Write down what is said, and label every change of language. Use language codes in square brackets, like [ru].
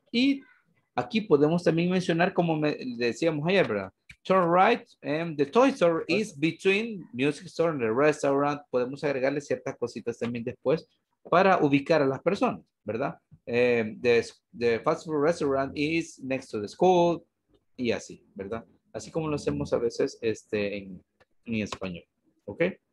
[es] Y aquí podemos también mencionar, como decíamos ayer, ¿verdad? [en] Turn right, and the toy store is between music store and the restaurant. [es] Podemos agregarle ciertas cositas también después para ubicar a las personas, ¿verdad? [en] The fast food restaurant is next to the school, [es] y así, ¿verdad? Así como lo hacemos a veces en español, ¿ok?